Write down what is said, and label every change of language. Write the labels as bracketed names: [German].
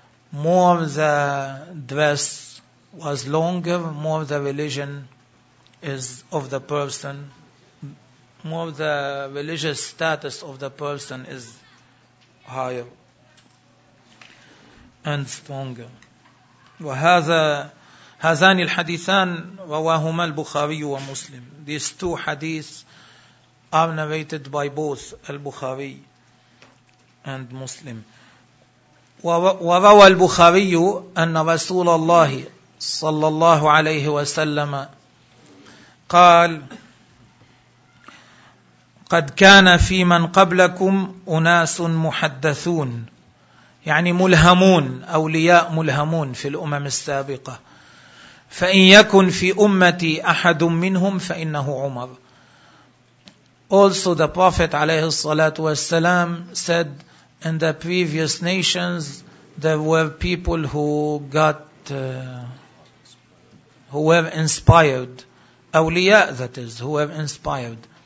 [English] More the dress was longer, more the religion is of the person, more the religious status of the person is higher and stronger. [Arabic] وهذا هذان الحديثان رواهما البخاري ومسلم. [English] These two hadiths are narrated by both البخاري and Muslim. [Arabic] وروى البخاري أن رسول الله صلى الله عليه وسلم قال قد كان في من قبلكم أناس محدثون يعني ملهمون أولياء ملهمون في الأمم السابقة فإن يكن في أمتي أحد منهم فإنه عمر. [English] Also the Prophet [Arabic] عليه الصلاة والسلام [English] said in the previous nations there were people who got who were inspired, أولياء that is, who were inspired.